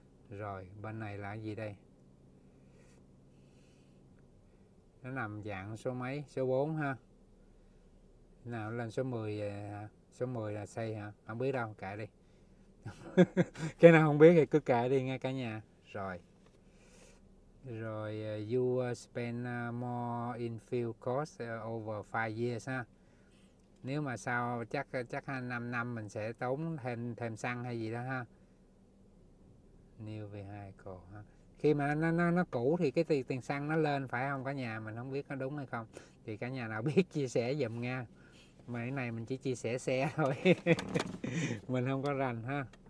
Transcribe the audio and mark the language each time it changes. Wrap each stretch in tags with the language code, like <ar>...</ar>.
<vi>Rồi, bên này là gì đây? Nó nằm dạng số mấy? Số 4 ha. Nào lên số 10, số 10 là xây hả? Không biết đâu, kệ đi. Cái nào không biết thì cứ kệ đi nghe cả nhà. Rồi.</vi> <en>Rồi you spend more in fuel cost over 5 years ha.</en> <vi>Nếu mà sau chắc 5 năm mình sẽ tốn thêm xăng hay gì đó ha. New vehicle ha. Khi mà nó cũ thì cái tiền xăng nó lên phải không cả nhà, mình không biết có đúng hay không. Thì cả nhà nào biết chia sẻ giùm nha. Mà cái này mình chỉ chia sẻ xe thôi. Mình không có rành ha.</vi>